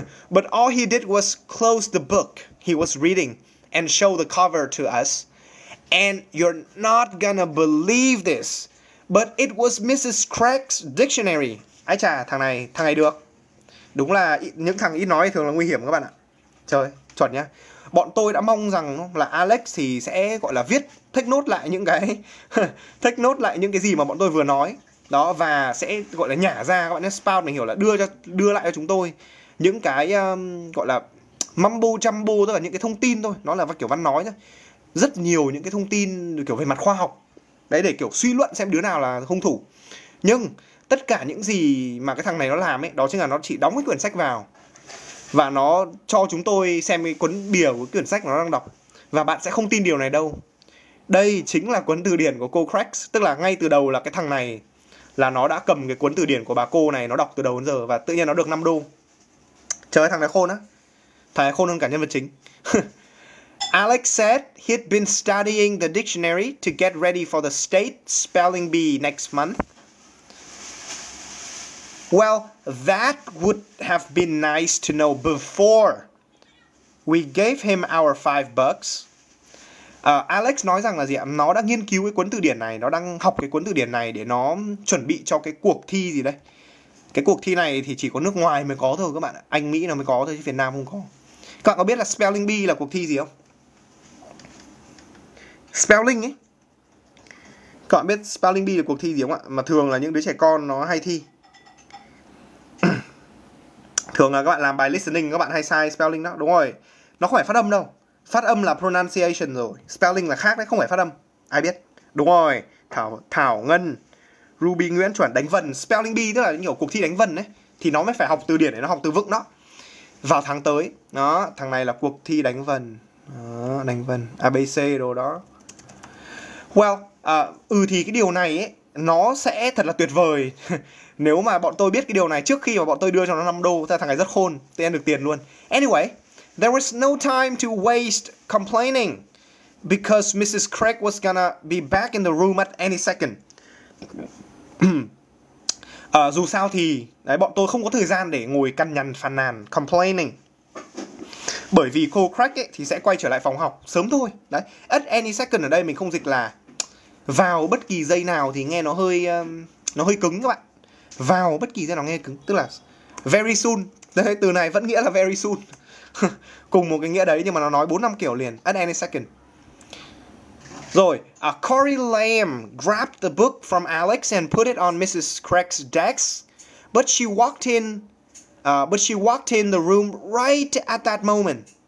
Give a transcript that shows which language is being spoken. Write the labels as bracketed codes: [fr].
[en] But all he did was close the book he was reading and show the cover to us. And you're not gonna believe this, but it was Mrs. Craig's dictionary. [vi] Ái chà, thằng này được. Đúng là những thằng ít nói thường là nguy hiểm các bạn ạ. Trời, chuẩn nhá. Bọn tôi đã mong rằng là Alex thì sẽ gọi là viết, take note lại những cái take note lại những cái gì mà bọn tôi vừa nói. Đó, và sẽ gọi là nhả ra, các bạn nhé, spout, mình hiểu là đưa lại cho chúng tôi những cái gọi là mumbo jumbo, tức là những cái thông tin thôi. Nó là kiểu văn nói nhá. Rất nhiều những cái thông tin kiểu về mặt khoa học. Đấy, để kiểu suy luận xem đứa nào là hung thủ. Nhưng tất cả những gì mà cái thằng này nó làm ấy, đó chính là nó chỉ đóng cái quyển sách vào và nó cho chúng tôi xem cái cuốn bìa của quyển sách nó đang đọc. Và bạn sẽ không tin điều này đâu. Đây chính là cuốn từ điển của cô Cracks. Tức là ngay từ đầu là cái thằng này là nó đã cầm cái cuốn từ điển của bà cô này, nó đọc từ đầu đến giờ và tự nhiên nó được 5 đô. Trời ơi, thằng này khôn á. Thằng này khôn hơn cả nhân vật chính. [en] Alex said he'd been studying the dictionary to get ready for the state spelling bee next month. Well, that would have been nice to know before we gave him our $5. [vi] Alex nói rằng là gì ạ? Nó đang nghiên cứu cái cuốn từ điển này, nó đang học cái cuốn từ điển này để nó chuẩn bị cho cái cuộc thi gì đấy. Cái cuộc thi này thì chỉ có nước ngoài mới có thôi các bạn ạ. Anh Mỹ nó mới có thôi chứ Việt Nam không có. Các bạn có biết là Spelling Bee là cuộc thi gì không? Spelling ấy. Các bạn biết Spelling Bee là cuộc thi gì không ạ? Mà thường là những đứa trẻ con nó hay thi. Thường là các bạn làm bài listening các bạn hay sai spelling đó, đúng rồi. Nó không phải phát âm đâu. Phát âm là pronunciation rồi. Spelling là khác đấy, không phải phát âm. Ai biết? Đúng rồi. Thảo Ngân, Ruby Nguyễn chuẩn, đánh vần. Spelling Bee tức là những kiểu cuộc thi đánh vần đấy. thì nó mới phải học từ điển để nó học từ vựng đó. Vào tháng tới, đó, thằng này là cuộc thi đánh vần. Đánh vần, ABC đồ đó. Well, thì cái điều này ấy, nó sẽ thật là tuyệt vời. Nếu mà bọn tôi biết cái điều này trước khi mà bọn tôi đưa cho nó 5 đô, thì thằng này rất khôn, tôi ăn được tiền luôn. [en] Anyway, there was no time to waste complaining because Mrs. Craig was gonna be back in the room at any second. [vi] dù sao thì đấy, bọn tôi không có thời gian để ngồi cằn nhằn phàn nàn complaining. Bởi vì cô Craig ấy thì sẽ quay trở lại phòng học sớm thôi. Đấy, [en] at any second [vi] ở đây mình không dịch là vào bất kỳ giây nào thì nghe nó hơi cứng các bạn. Vào bất kỳ giây nào nghe cứng, tức là [en] very soon. [vi] Đấy, từ này vẫn nghĩa là very soon. Cùng một cái nghĩa đấy nhưng mà nó nói 4 5 kiểu liền, [en] at any second. Rồi, Corey Lam grabbed the book from Alex and put it on Mrs. Craig's desk, but she walked in the room right at that moment.